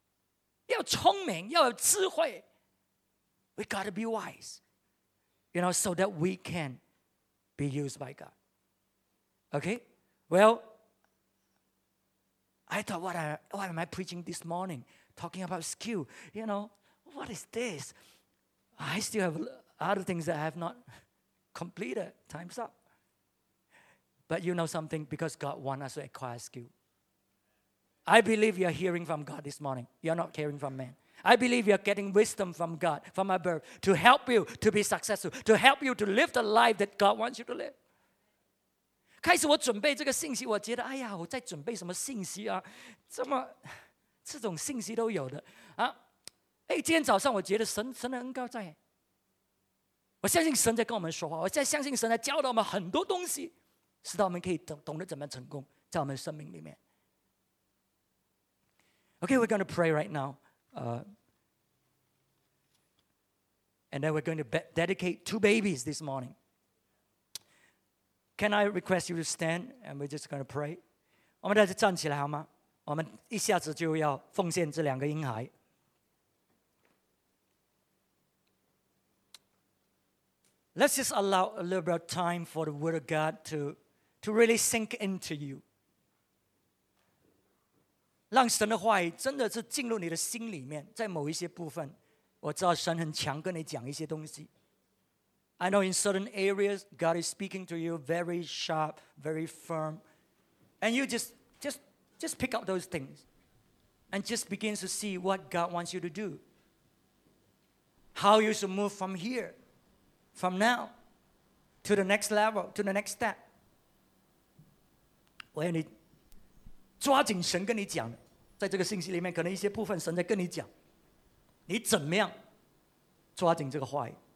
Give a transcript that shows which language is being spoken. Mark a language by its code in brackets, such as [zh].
[zh] 别人已经碰了墙壁，他已经把这个成绩告诉你了。那么我们现在呢，就把这个技巧埋过来、卸过来，然后呢就跑就行了。何必要这么傻呢？要聪明，要有智慧。 [en] We got to be wise, you know, so that we can be used by God. Okay? Well, I thought, what am I preaching this morning? Talking about skill, you know, what is this? I still have other things that I have not completed. Time's up. But you know something, because God wants us to acquire skill. I believe you're hearing from God this morning. You're not hearing from man. I believe you're getting wisdom from God, from above, to help you to be successful, to help you to live the life that God wants you to live. [zh] 开始我准备这个信息，我觉得哎呀，我在准备什么信息啊？怎么这种信息都有的啊？哎，今天早上我觉得神的恩膏在，我相信神在跟我们说话，我在相信神在教导我们很多东西，使到我们可以懂得怎么成功在我们生命里面。 [en] Okay, we're going to pray right now. And then we're going to dedicate two babies this morning. Can I request you to stand and we're just going to pray? [zh] 我们大家站起来好吗? 我们一下子就要奉献这两个婴孩。 [en] Let's just allow a little bit of time for the Word of God to really sink into you. [zh] 让神的话语真的是进入你的心里面，在某一些部分，我知道神很强跟你讲一些东西。 [en] I know in certain areas, God is speaking to you very sharp, very firm. And you just pick up those things and just begin to see what God wants you to do. How you should move from here, from now, to the next level, to the next step. [zh] 我要你抓紧神跟你讲，在这个信息里面，可能一些部分神在跟你讲，你怎么样抓紧这个话语。